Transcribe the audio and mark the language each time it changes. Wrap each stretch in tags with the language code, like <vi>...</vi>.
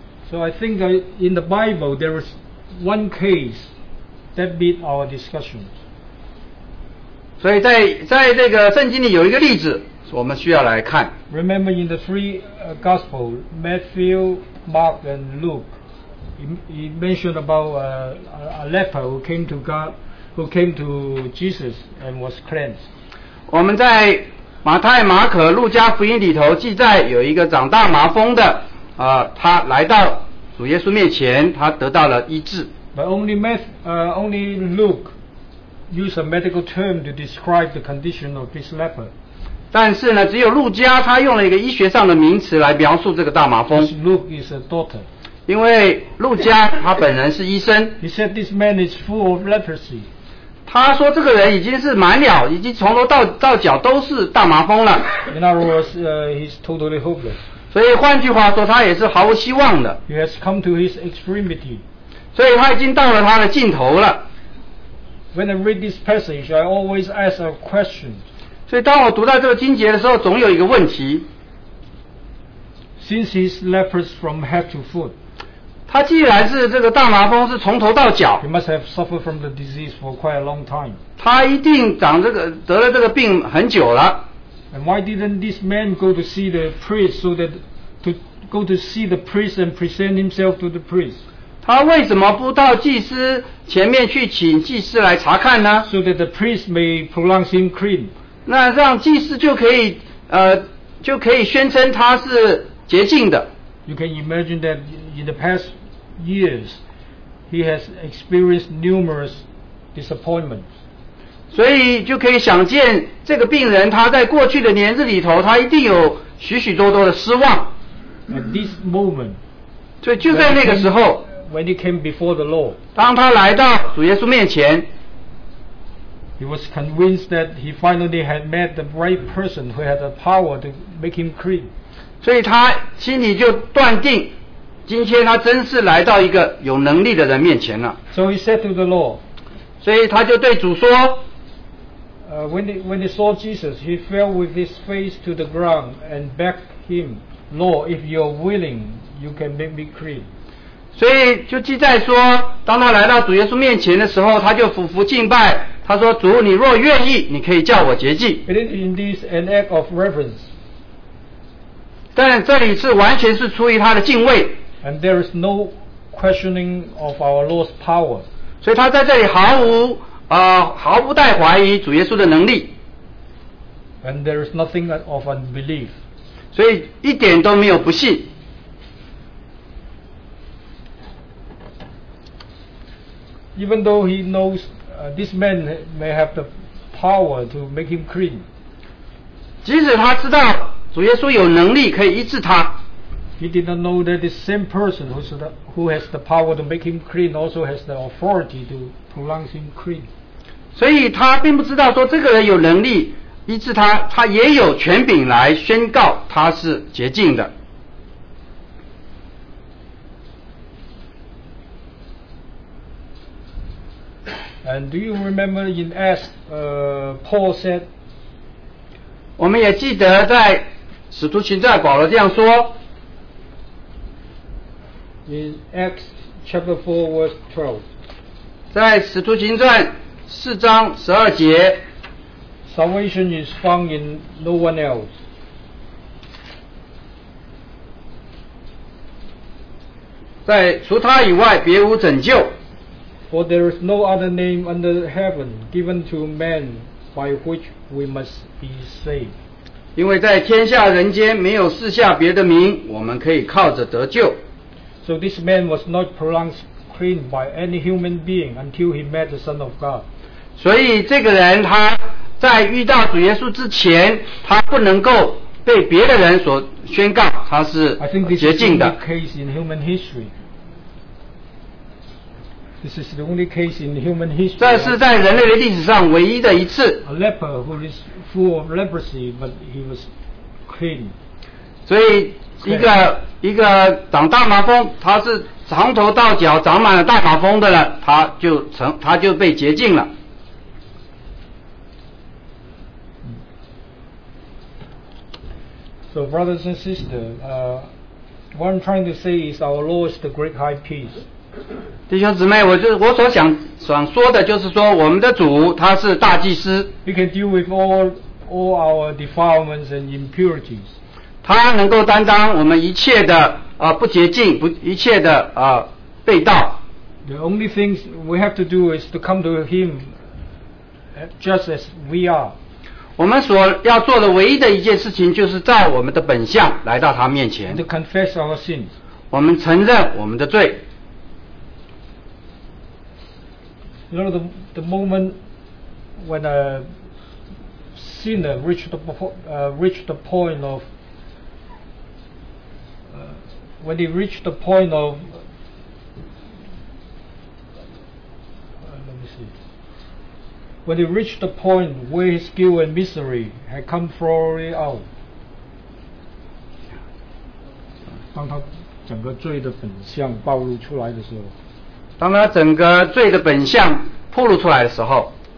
<en>So I think that in the Bible there is one case that beat our discussion.</en> <zh>所以在这个圣经里有一个例子我们需要来看</zh> <en>Remember in the three Gospels Matthew, Mark and Luke he mentioned about a leper who came to God who came to Jesus and was cleansed</en> <zh>我们在马太、马可、路加福音里头记载有一个长大麻风的他来到主耶稣面前他得到了医治</zh> <en>But only LukeUse a medical term to describe the condition of this leper.</en> <zh>但是呢，只有路加他用了一个医学上的名词来描述这个大麻风。</zh> <en>Because Luke is a doctor.</en> <zh>因为路加他本人是医生。</zh> <en>He said this man is full of leprosy.</en> <zh>他说这个人已经是满了，已经从头到脚都是大麻风了。</zh> <en>In other words, he's totally hopeless.</en> <zh>所以换句话说，他也是毫无希望的。</zh> <en>He has come to his extremity.</en> <zh>所以他已经到了他的尽头了。</zh> <en>When I read this passage, I always ask a question.</en> <zh>所以当我读到这个经节的时候，总有一个问题。</zh> <en>Since he's leprous from head to foot,</en> <zh>他既然是这个大麻风，是从头到脚。</zh> <en>He must have suffered from the disease for quite a long time.</en> <zh>他一定长这个得了这个病很久了。</zh> <en>And why didn't this man go to see the priest so that to go to see the priest and present himself to the priest?</en> <zh>他为什么不到祭司前面去请祭司来查看呢</zh> <en>？So that the priest may pronounce him clean.</en> <zh>那让祭司就可以宣称他是洁净的。</zh> <en>You can imagine that in the past years, he has experienced numerous disappointments.</en> <zh>所以就可以想见，这个病人他在过去的年日里头，他一定有许许多多的失望。</zh> <en>At this moment,</en> <zh>所以就在那个时候。</zh> <en>When he came before the Lord,</en> <zh>当他来到主耶稣面前</zh> <en>he was convinced that he finally had met the right person who had the power to make him clean.</en> <zh>所以他心里就断定，今天他真是来到一个有能力的人面前了。</zh> <en>So he said to the Lord,</en> <zh>所以他就对主说</zh> <en>when he saw Jesus, he fell with his face to the ground and begged him, Lord, if you're willing, you can make me clean.</en> <zh>所以就记载说当他来到主耶稣面前的时候他就俯伏敬拜他说主你若愿意你可以叫我洁净</zh> <en>It is indeed an act of reverence</en> <zh>但这里是完全是出于他的敬畏</zh> <en>And there is no questioning of our Lord's power</en> <zh>所以他在这里毫不带怀疑主耶稣的能力</zh> <en>And there is nothing of unbelief</en> <zh>所以一点都没有不信</zh> <en>Even though he knows this man may have the power to make him clean,</en> <zh>即使他知道主耶稣有能力可以医治他</zh> <en>he did not know that the same person who has the power to make him clean also has the authority to pronounce him clean.</en> <zh>所以他并不知道说这个人有能力，医治他，他也有权柄来宣告他是洁净的。</zh> <en>And do you remember in Acts, Paul said?</en> <zh>我们也记得在使徒行传保罗这样说。</zh> <en>In Acts chapter 4 verse 12.</en> <zh>在使徒行传四章十二节。</zh> <en>Salvation is found in no one else.</en> <zh>在除他以外别无拯救。</zh> <en>For there is no other name under heaven given to man by which we must be saved.</en> <zh>因为在天下人间没有赐下别的名，我们可以靠着得救。</zh> <en>So this man was not pronounced clean by any human being until he met the Son of God.</en> <zh>所以这个人他在遇到主耶稣之前，他不能够被别的人所宣告他是洁净的。</zh> <en>I think this is the only case in human history. This is the only case in human history.</en> <zh>这是在人类的历史上唯一的一次。</zh> <en>A leper who is full of leprosy, but he was clean.</en> <zh>所以一个长大麻风，他是从头到脚长满了大麻风的了，他就被洁净了。</zh> <en>So brothers and sisters, what I'm trying to say is our Lord is the great high priest.</en> <zh>弟兄姊妹，我所想说的就是说，我们的主他是大祭司。</zh> <en>He can deal with all our defilements and impurities.</en> <zh>他能够担当我们一切的不洁净，一切的被盗。</zh> <en>The only thing we have to do is to come to Him just as we are.</en> <zh>我们所要做的唯一的一件事情，就是照我们的本相来到他面前。</zh> <en>To confess our sins.</en> <zh>我们承认我们的罪。</zh> <en>You know, the moment when a sinner reached the point where his guilt and misery had come fully out.</en> <zh>当他整个罪的本相暴露出来的时候。当他整个罪的本相暴露出来的时候</zh>